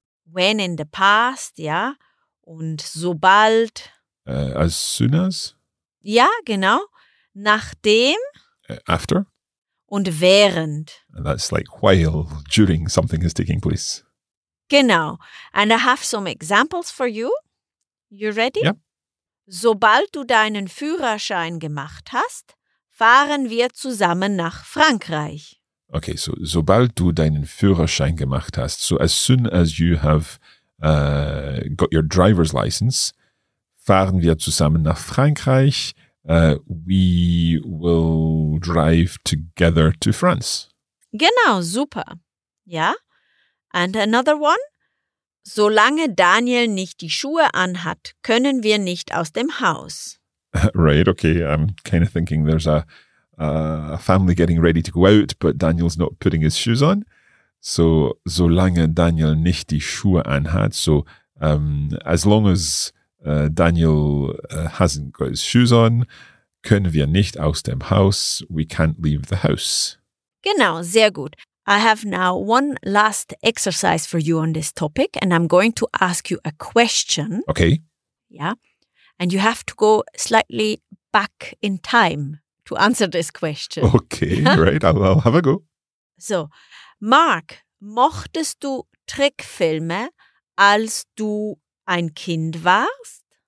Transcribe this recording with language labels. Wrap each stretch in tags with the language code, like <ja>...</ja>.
<en>When in the past, yeah.</en> <de>Und sobald.</de> <en>As soon as.</en> <de>Ja, genau. Nachdem.</de> <en>After.</en> <de>Und während.</de> <en>And that's like while, during something is taking place. Genau. And I have some examples for you. You ready? Yeah.</en> <de>Sobald du deinen Führerschein gemacht hast, fahren wir zusammen nach Frankreich. Okay, so sobald du deinen Führerschein gemacht hast,</de> <en>so as soon as you have got your driver's license,</en> <de>fahren wir zusammen nach Frankreich.</de> <en>We will drive together to France.</en> <de>Genau, super. Ja?</de> <en>And another one?</en> <de>Solange Daniel nicht die Schuhe anhat, können wir nicht aus dem Haus.</de> <en>Right, okay. I'm kind of thinking there's a family getting ready to go out, but Daniel's not putting his shoes on. So,</en> <de>solange Daniel nicht die Schuhe anhat,</de> <en>so as long as Daniel hasn't got his shoes on,</en> <de>können wir nicht aus dem Haus,</de> <en>we can't leave the house.</en> <de>Genau, sehr gut.</de> <en>I have now one last exercise for you on this topic, and I'm going to ask you a question. Okay. Yeah. And you have to go slightly back in time to answer this question. Okay, right. I'll have a go.</en> <de>So, Mark, mochtest du Trickfilme, als du ein Kind warst?</de>